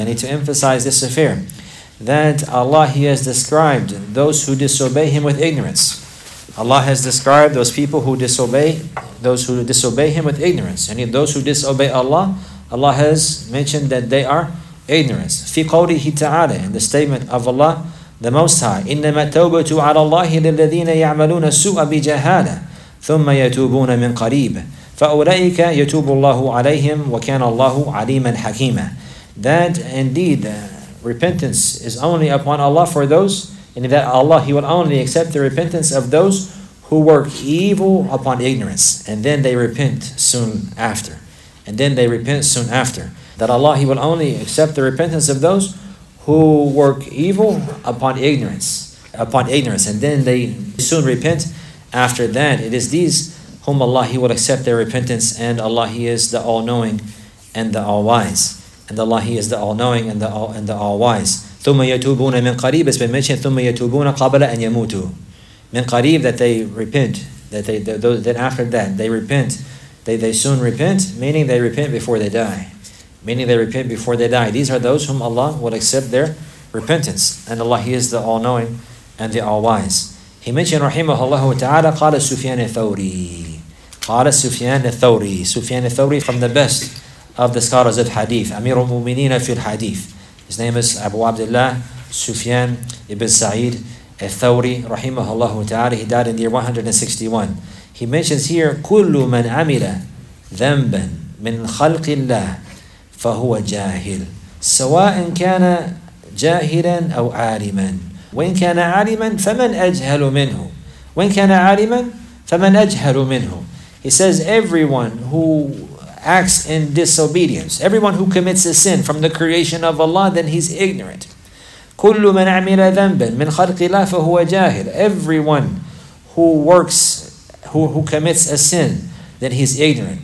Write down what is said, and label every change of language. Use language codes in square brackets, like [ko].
[en] I need to emphasize this affair, that Allah, He has described those who disobey Him with ignorance. Allah has described those people who disobey, those who disobey Him with ignorance. And those who disobey Allah, Allah has mentioned that they are ignorant. [ar] في قوله تعالى, [en] in the statement of Allah, the Most High, [ar] إنما التوبة على الله للذين يعملون السوء بجهالة ثم يتوبون من قريب فأولئك يتوب الله عليهم وكان الله عليما حكيما. [en] That indeed repentance is only upon Allah for those, and that Allah, He will only accept the repentance of those who work evil upon ignorance, and then they repent soon after. And then they repent soon after. That Allah, He will only accept the repentance of those who work evil upon ignorance. Upon ignorance. And then they soon repent after that. It is these whom Allah, He will accept their repentance. And Allah, He is the all-knowing and the all-wise. And Allah, He is the all-knowing and the all-wise. [ar] ثُمَّ يَتُوبُونَ مِنْ قَرِيبٍ. [en] It's been mentioned, [ar] ثُمَّ يَتُوبُونَ قَبْلَ أَنْ يَمُوتُوا. مِنْ قَرِيبٍ, [en] that they repent. That they, then after that, they repent. They soon repent, meaning they repent before they die. Meaning they repent before they die. These are those whom Allah will accept their repentance. And Allah, He is the all-knowing and the all-wise. He mentioned, [ar] رحمه الله تعالى, قال سفيان الثوري. قال سفيان الثوري. [en] سفيان الثوري, from the best of the scholars of hadith. [ar] أمير المؤمنين في الحديث. [en] His name is Abu Abdullah Sufyan ibn Sa'id al-Thawri, rahimahullah ta'ala. He died in the year 161. He mentions here, [ar] كُلُّ مَنْ عَمِلَ ذَنْبًا مِنْ خَلْقِ اللَّهِ فَهُوَ جَاهِلٌ سَوَاءً كَانَ جَاهِلًا أَوْ عَالِمًا وَإِنْ كَانَ عَالِمًا فَمَنْ أَجْهَلُ مِنْهُ وَإِنْ كَانَ عَالِمًا فَمَنْ أَجْهَلُ مِنْهُ. [en] He says, everyone who acts in disobedience, everyone who commits a sin from the creation of Allah, then he's ignorant. [ar] كُلُّ مَنْ عَمِلَ ذَنْبًا مِنْ خَلْقِ اللَّهِ فَهُوَ جَاهِلٌ. [en] Everyone who works, who commits a sin, then he's ignorant.